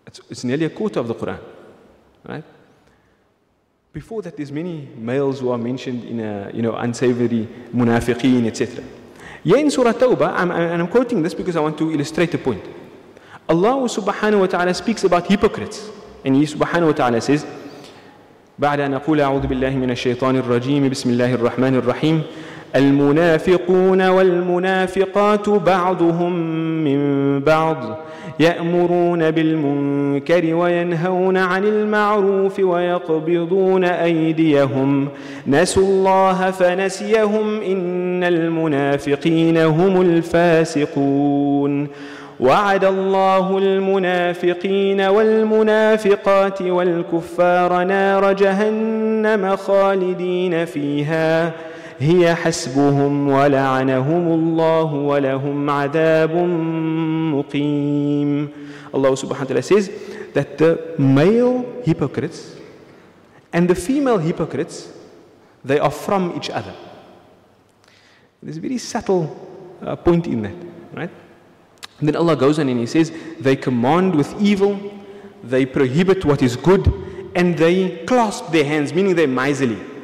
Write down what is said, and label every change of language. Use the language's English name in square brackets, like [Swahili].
[English] It's nearly a quarter of the Quran. Right? Before that, there's many males who are mentioned in a, you know, unsavory, munafiqeen, etc. Yeah, in Surah Tawbah, I'm quoting this because I want to illustrate a point. Allah subhanahu wa ta'ala speaks about hypocrites. And He subhanahu wa ta'ala says, [Arabic] بعد أن أقول أعوذ بالله من الشيطان الرجيم بسم الله الرحمن الرحيم المنافقون والمنافقات بعضهم من بعض يأمرون بالمنكر وينهون عن المعروف ويقبضون أيديهم نسوا الله فنسيهم إن المنافقين هم الفاسقون وعد الله المنافقين والمنافقات والكفار نار جهنم خالدين فيها هي حسبهم ولعنهم الله ولهم عذاب مقيم. [English] Allah subhanahu wa ta'ala says that the male hypocrites and the female hypocrites, they are from each other. There's a very subtle point in that, right? And then Allah goes on and He says, they command with evil, they prohibit what is good, and they clasp their hands, meaning they're miserly.